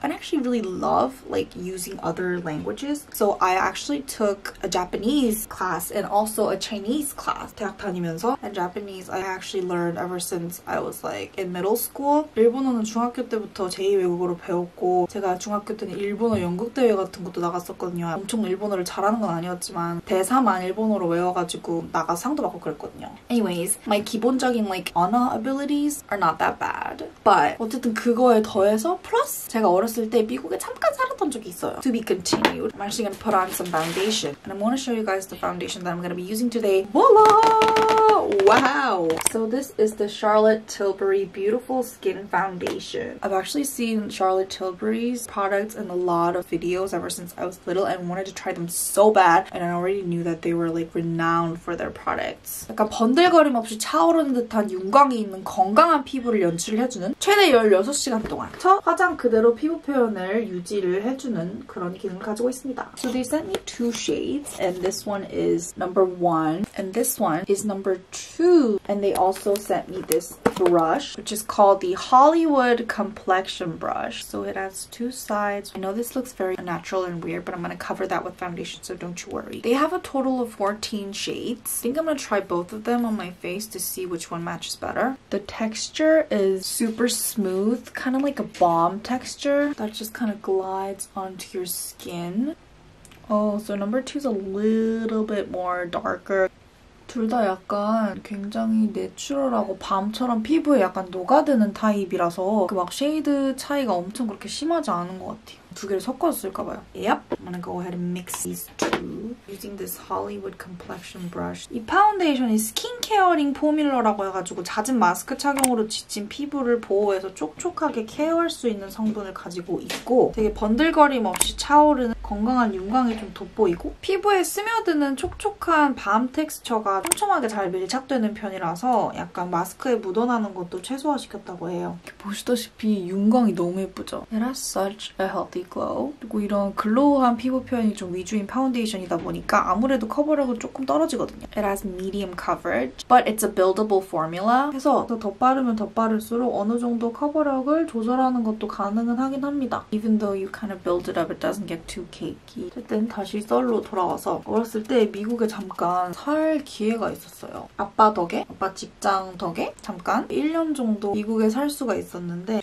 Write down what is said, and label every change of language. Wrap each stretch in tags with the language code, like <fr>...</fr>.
<en>I actually really love like using other languages. So I actually took a Japanese class and also a Chinese class</en> <ko>대학 다니면서</ko> <en>and Japanese I actually learned ever since I was like in middle school.</en> <ko>일본어는 중학교 때부터 제2외국어로 배웠고 제가 중학교 때는 일본어 연극 대회 같은 것도 나갔었거든요. 엄청 일본어를 잘하는 건 아니었지만 대사만 일본어로 외워가지고 나가 상도 받고 그랬거든요.</ko> <en>Anyways, my</en> <ko>기본적인</ko> <en>like 언어 abilities are not that bad.</en> <ko>But 어쨌든 그거에 더해서 플러스 제가 어렸을 때 미국에 잠깐 살았던 적이 있어요.</ko> <en>To be continued. I'm actually gonna put on some foundation. And I'm gonna show you guys the foundation that I'm gonna be using today. Voila! Wow! So this is the Charlotte Tilbury Beautiful Skin Foundation. I've actually seen Charlotte Tilbury's products in a lot of videos ever since I was little and wanted to try them so bad. And I already knew that they were like renowned for their products.</en> <ko>약간 번들거림 없이 차오르는 듯한 윤광이 있는 건강한 피부를 연출해주는 최대 16시간 동안 화장 그대로 피부 표현을 유지를 해주는 그런 기능을 가지고 있습니다.</ko> <en>So they sent me two shades and this one is number one and this one is number two. And they also sent me this brush, which is called the Hollywood Complexion Brush. So it has two sides. I know this looks very unnatural and weird, but I'm gonna cover that with foundation, so don't you worry. They have a total of 14 shades. I think I'm gonna try both of them on my face to see which one matches better. The texture is super smooth, kind of like a balm texture that just kind of glides onto your skin. Oh, so number two is a little bit more darker.</en> <ko>둘 다 약간 굉장히 내추럴하고 밤처럼 피부에 약간 녹아드는 타입이라서 그 막 쉐이드 차이가 엄청 그렇게 심하지 않은 것 같아요. 두 개를 섞었을까 봐요.</ko> <en>Yep. I'm gonna go ahead and mix these two using this Hollywood complexion brush.</en> <ko>이 파운데이션이 스킨케어링 포뮬러라고 해가지고 잦은 마스크 착용으로 지친 피부를 보호해서 촉촉하게 케어할 수 있는 성분을 가지고 있고 되게 번들거림 없이 차오르는 건강한 윤광이 좀 돋보이고 피부에 스며드는 촉촉한 밤 텍스처가 촘촘하게 잘 밀착되는 편이라서 약간 마스크에 묻어나는 것도 최소화시켰다고 해요. 보시다시피 윤광이 너무 예쁘죠?</ko> <en>It has such a healthy glow.</en> <ko>그리고 이런 글로우한 피부 표현이 좀 위주인 파운데이션이다 보니까 아무래도 커버력은 조금 떨어지거든요.</ko> <en>It has medium coverage, but it's a buildable formula.</en> <ko>그래서 더 빠르면 더 빠를수록 어느 정도 커버력을 조절하는 것도 가능은 하긴 합니다.</ko> <en>Even though you kind of build it up, it doesn't get too cakey.</en> <ko>어쨌든 다시 썰로 돌아와서 어렸을 때 미국에 잠깐 살 기회가 있었어요. 아빠 덕에, 아빠 직장 덕에 잠깐 1년 정도 미국에 살 수가 있었는데</ko>